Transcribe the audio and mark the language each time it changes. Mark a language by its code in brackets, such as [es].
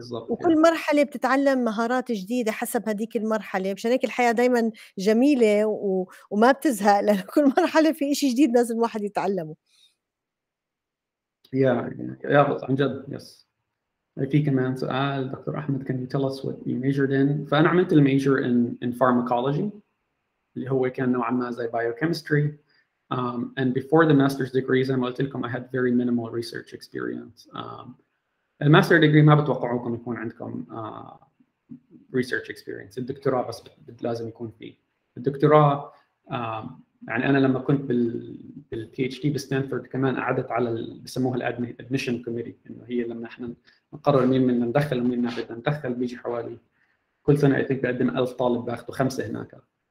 [ar] وكل مرحلة بتتعلم مهارات جديدة حسب هذيك المرحلة، مشان هيك الحياة دائما جميلة وما بتزهق، لأن كل مرحلة في إشي جديد لازم الواحد يتعلمه. يا عن جد يس، في كمان سؤال دكتور أحمد, [en] can you tell us what you majored in؟ [ar] فأنا عملت الميجر [en] in pharmacology [ar] اللي هو كان نوعا ما زي biochemistry. [en] And before the master's degree, [ar] زي ما قلت لكم, [en] I had very minimal research experience. [ar] الماستر ديجري ما بتوقعوكم يكون عندكم research experience. الدكتوراه بس لازم يكون فيه. الدكتوراه يعني أنا لما كنت بال PhD بستانفورد كمان قعدت على بسموها [en] admission committee, [ar] إنه هي لما إحنا نقرر مين مننا ندخل ومين ما بدنا ندخل, بيجي حوالي كل سنة [en] I think [ar] بقدم 1000 طالب باخده 5 هناك.